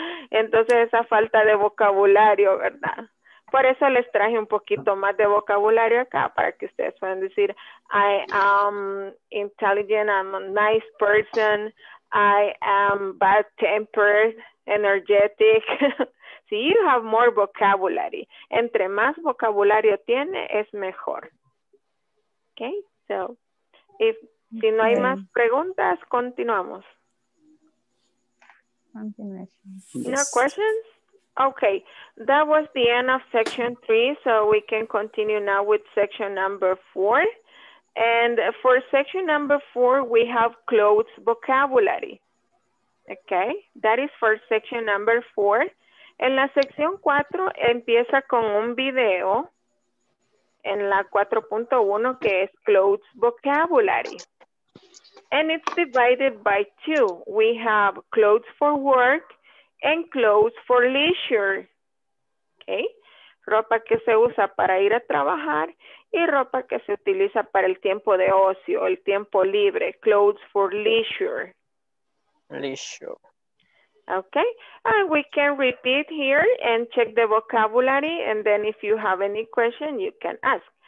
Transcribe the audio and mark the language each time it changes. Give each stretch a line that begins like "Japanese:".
Spanish: Entonces esa falta de vocabulario, ¿verdad? Por eso les traje un poquito más de vocabulario acá, para que ustedes puedan decir,
English: I am intelligent, I'm a nice person, I am bad tempered, energetic. See, you have more vocabulary.
Spanish: Entre más vocabulario tiene, es mejor.
English: Okay, so if
Spanish: si no hay más preguntas, continuamos.
English: Continuation. Yes. No questions? Okay, that was the end of section 3, so we can continue now with section number 4. And for section number 4, we have clothes vocabulary. Okay, that is for section number 4.
Spanish: En la sección 4 empieza con un video en la 4.1 que es clothes vocabulary.
English: And it's divided by 2. We have clothes for work and clothes for leisure.
Spanish: Okay, ropa que se usa para ir a trabajar y ropa que se utiliza para el tiempo de ocio, el tiempo libre, clothes for leisure.
English: Leisure. Okay, and we can repeat here and check the vocabulary, and then if you have any question, you can ask.